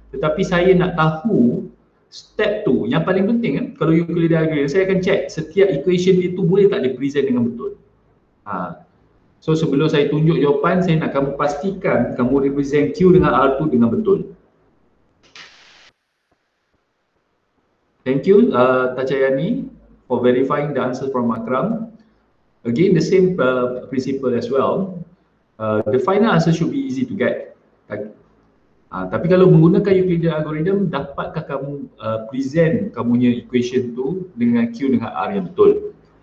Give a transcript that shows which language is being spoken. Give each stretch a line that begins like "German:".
Malay: Tetapi saya nak tahu step 2 yang paling penting kan. Kalau Euclidean algorithm, saya akan check setiap equation dia tu boleh tak di-present dengan betul. So sebelum saya tunjuk jawapan, saya nak kamu pastikan kamu represent Q dengan R2 dengan betul.
English: Thank you Tachayani for verifying the answer from Akram. Again, the same principle as well. The final answer should be easy to get.
Malay: Tapi kalau menggunakan Euclidean algorithm, dapatkah kamu present kamu punya equation tu dengan Q dengan R yang betul?